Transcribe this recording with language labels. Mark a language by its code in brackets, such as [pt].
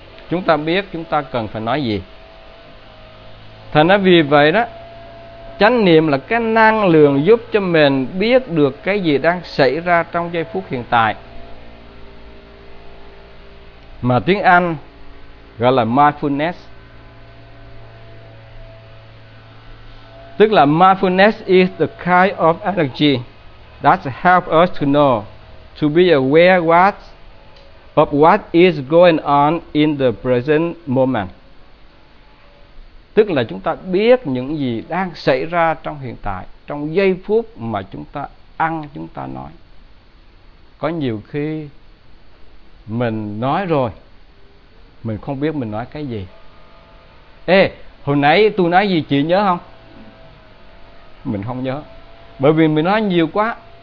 [vi] Chúng ta biết chúng ta cần phải nói gì. Thành ra vì vậy đó, chánh niệm là cái năng lượng giúp cho mình biết được cái gì đang xảy ra trong giây phút hiện tại, mà tiếng Anh gọi là mindfulness. Tức là [en] mindfulness is the kind of energy that helps us to know, to be aware of what is going on in the present moment. [vi] Tức là chúng ta biết những gì đang xảy ra trong hiện tại, trong giây phút mà chúng ta ăn, chúng ta nói. Có nhiều khi mình nói rồi, mình không biết mình nói cái gì. Ê, hồi nãy tôi nói gì chị nhớ không? Mình không nhớ, bởi vì mình nói nhiều quá.